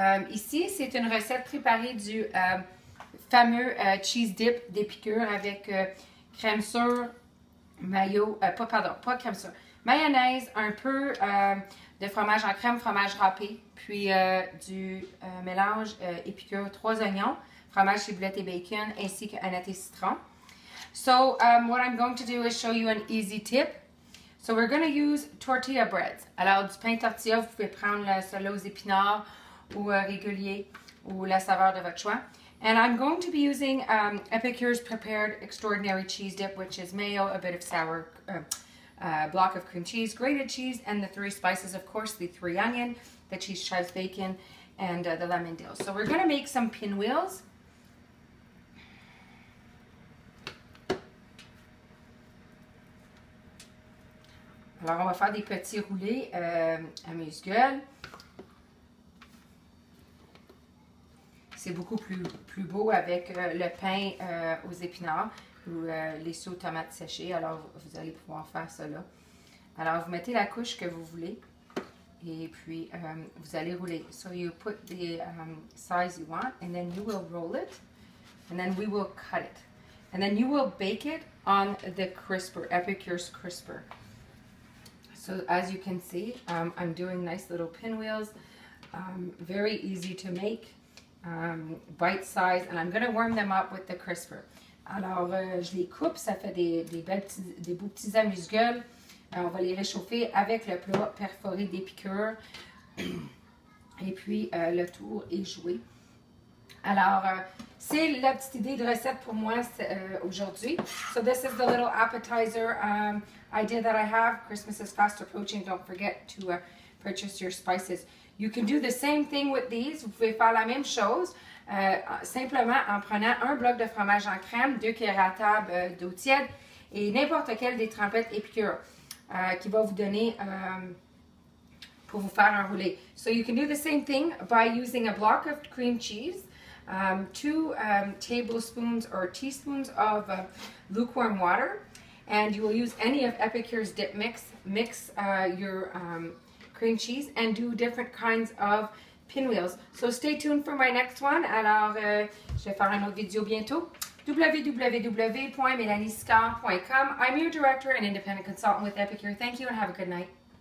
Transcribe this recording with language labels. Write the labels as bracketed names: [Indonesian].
[French] Ici, c'est une recette préparée du fameux cheese dip d'Epicure avec crème sure, mayo, pas crème sure, mayonnaise, un peu de fromage en crème, fromage râpé, puis du mélange Epicure, trois oignons, fromage, ciboulette et bacon, ainsi qu'anette et citron. [English] So, what I'm going to do is show you an easy tip. So, we're going to use tortilla breads. [French] Alors, du pain tortilla, vous pouvez prendre le seul aux épinards ou régulier ou la saveur de votre choix. [English] And I'm going to be using Epicure's prepared extraordinary cheese dip, which is mayo, a bit of sour, block of cream cheese, grated cheese, and the three spices, of course, the three onion, the cheese chives bacon, and the lemon dill. So, we're going to make some pinwheels. [French] Alors, on va faire des petits roulés amuse-gueule. C'est beaucoup plus beau avec le pain aux épinards ou les sauts aux tomates séchées. Alors, vous allez pouvoir faire cela. Alors, vous mettez la couche que vous voulez et puis vous allez rouler. [English] So, you put the size you want and then you will roll it and then we will cut it. And then you will bake it on the crisper, Epicure's crisper. So as you can see, I'm doing nice little pinwheels, very easy to make, bite size, and I'm going to warm them up with the crisper. [French] Alors, je les coupe, ça fait des beaux petits amuse-gueules. On va les réchauffer avec le plat perforé d'Epicure, et puis le tour est joué. Alors, c'est la petite idée de recette pour moi aujourd'hui. [English] So this is the little appetizer idea that I have. Christmas is fast approaching. Don't forget to purchase your spices. You can do the same thing with these. [French] Vous pouvez faire la même chose. Simplement en prenant un bloc de fromage en crème, deux cuillères à table d'eau tiède et n'importe quelle des trempettes Epicure qui va vous donner pour vous faire un roulé. [English] So you can do the same thing by using a block of cream cheese. Two tablespoons or teaspoons of lukewarm water, and you will use any of Epicure's dip mix. Mix your cream cheese and do different kinds of pinwheels. So stay tuned for my next one. [French] Alors, je vais faire une autre vidéo bientôt. [English] www.melanieskar.com. I'm your director and independent consultant with Epicure. Thank you and have a good night.